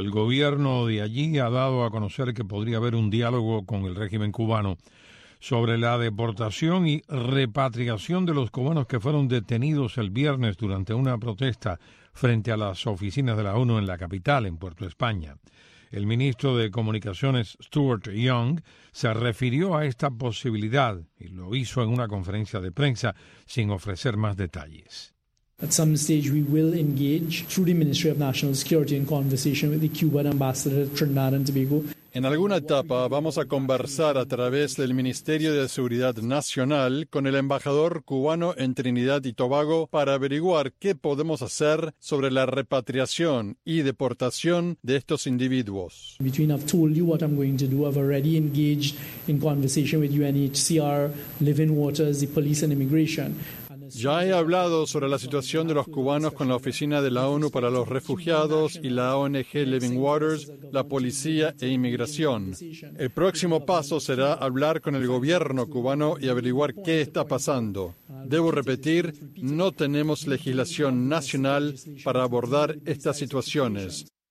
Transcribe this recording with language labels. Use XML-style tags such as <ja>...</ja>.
<es>El gobierno de allí ha dado a conocer que podría haber un diálogo con el régimen cubano sobre la deportación y repatriación de los cubanos que fueron detenidos el viernes durante una protesta frente a las oficinas de la ONU en la capital, en Puerto España. El ministro de Comunicaciones, Stuart Young, se refirió a esta posibilidad y lo hizo en una conferencia de prensa sin ofrecer más detalles.</es> <en>At some stage we will engage through the Ministry of National Security in conversation with the Cuban ambassador Trinidad and Tobago.</en> <es>En alguna etapa vamos a conversar a través del Ministerio de Seguridad Nacional con el embajador cubano en Trinidad y Tobago para averiguar qué podemos hacer sobre la repatriación y deportación de estos individuos.</es> <en>Between I've told you what I'm going to do, I've already engaged in conversation with UNHCR, Living Waters, the Police and Immigration.</en> <es>Ya he hablado sobre la situación de los cubanos con la Oficina de la ONU para los Refugiados y la ONG Living Waters, la Policía e Inmigración. El próximo paso será hablar con el gobierno cubano y averiguar qué está pasando. Debo repetir, no tenemos legislación nacional para abordar estas situaciones.</es>